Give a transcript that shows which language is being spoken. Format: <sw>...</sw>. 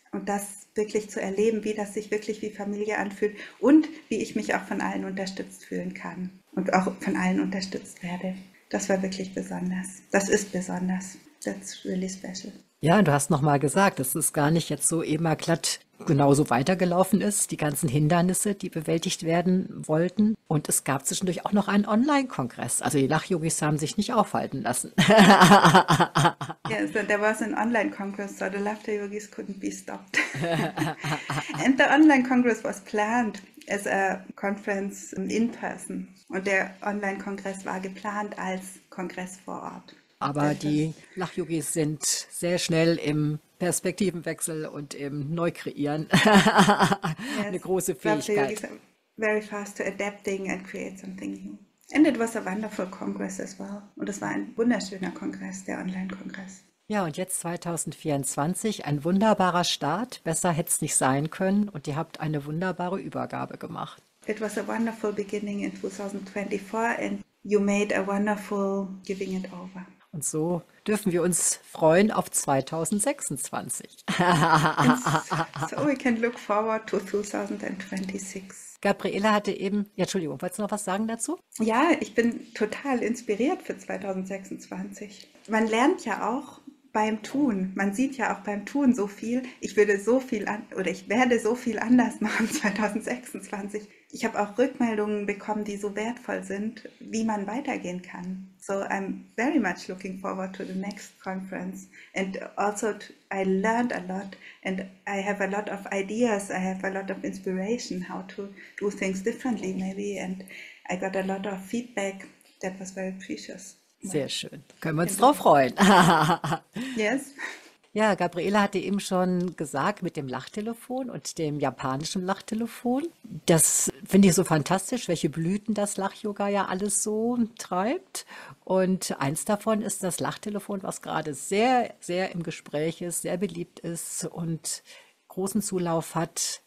<de>Und das wirklich zu erleben, wie das sich wirklich wie Familie anfühlt und wie ich mich auch von allen unterstützt fühlen kann. und auch von allen unterstützt werde. Das war wirklich besonders. Das ist besonders.</de> <en>That's really special.</en> <de>Ja, du hast nochmal gesagt, dass es gar nicht jetzt so immer glatt genauso weitergelaufen ist, die ganzen Hindernisse, die bewältigt werden wollten. Und es gab zwischendurch auch noch einen Online-Kongress. Also die Lachyogis haben sich nicht aufhalten lassen.</de> <en>Yeah, so there was an online congress, so the laughter yogis couldn't be stopped. And the online congress was planned as a conference in person.</en> <de>Und der Online-Kongress war geplant als Kongress vor Ort. Aber die Lachyogis sind sehr schnell im Perspektivenwechsel und im Neukreieren. Eine große Fähigkeit.</de> <en>Lachyogis are very fast to adapting and create something new. And it was a wonderful congress as well.</en> <de>Und es war ein wunderschöner Kongress, der Online-Kongress. Ja, und jetzt 2024, ein wunderbarer Start. Besser hätte es nicht sein können. Und ihr habt eine wunderbare Übergabe gemacht.</de> <en>It was a wonderful beginning in 2024 and you made a wonderful giving it over.</en> <de>Und so dürfen wir uns freuen auf 2026.</de> <en>So we can look forward to 2026.</en> <de>Gabriela hatte eben, ja, Entschuldigung, wolltest du noch was sagen dazu? Ja, ich bin total inspiriert für 2026. Man lernt ja auch beim Tun. Man sieht ja auch beim Tun so viel. Ich werde so viel anders machen 2026. Ich habe auch Rückmeldungen bekommen, die so wertvoll sind, wie man weitergehen kann.</de> <en>So I'm very much looking forward to the next conference. And also I learned a lot and I have a lot of ideas. I have a lot of inspiration how to do things differently maybe. And I got a lot of feedback that was very precious.</en> <de>Sehr schön. Können wir uns drauf freuen.</de> <en>Yes.</en> <de>Ja, Gabriela hatte eben schon gesagt mit dem Lachtelefon und dem japanischen Lachtelefon. Das finde ich so fantastisch, welche Blüten das Lachyoga ja alles so treibt. Und eins davon ist das Lachtelefon, was gerade sehr, sehr im Gespräch ist, sehr beliebt ist und großen Zulauf hat.</de>